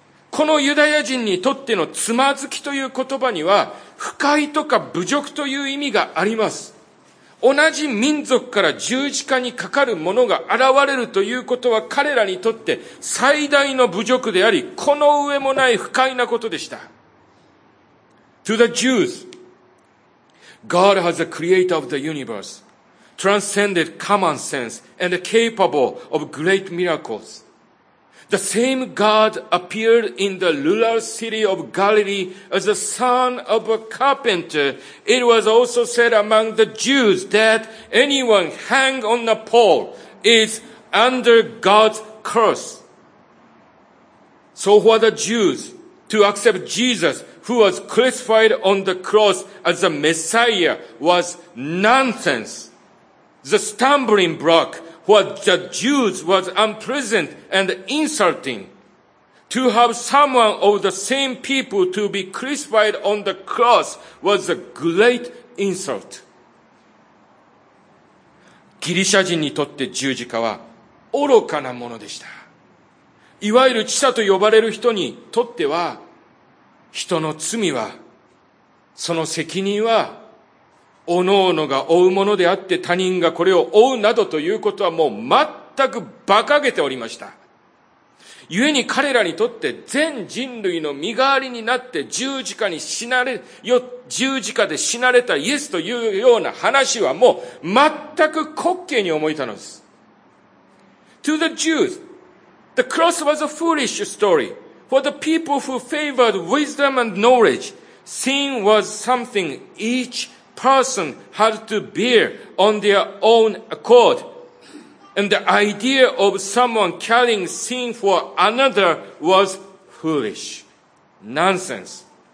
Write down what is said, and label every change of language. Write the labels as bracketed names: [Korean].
[Japanese] このユダヤ人にとってのつまずきという言葉には不快とか侮辱という意味があります。同じ民族から十字架にかかる者が現れるということは彼らにとって最大の侮辱であり、この上もない不快なことでした。 [English] To the Jews, God has a creator of the universe, transcended common sense and capable of great miracles. The same God appeared in the rural city of Galilee as the son of a carpenter. It was also said among the Jews that anyone hang on a pole is under God's curse. So for the Jews to accept Jesus who was crucified on the cross as the Messiah was nonsense. The stumbling block. What the Jews was unpleasant and insulting. To have someone of the same people to be crucified on the cross was a great insult. [Japanese] ギリシャ人にとって十字架は愚かなものでした。いわゆる知者と呼ばれる人にとっては、人の罪は、その責任は、おのおのが負うものであって他人がこれを負うなどということはもう全く馬鹿げておりました。故に彼らにとって全人類の身代わりになって十字架に死なれ、十字架で死なれたイエスというような話はもう全く滑稽に思えたのです。 [English] To the Jews, the cross was a foolish story. For the people who favored wisdom and knowledge, sin was something each person had to bear on their own accord. And the idea of someone carrying sin for another was foolish. Nonsense.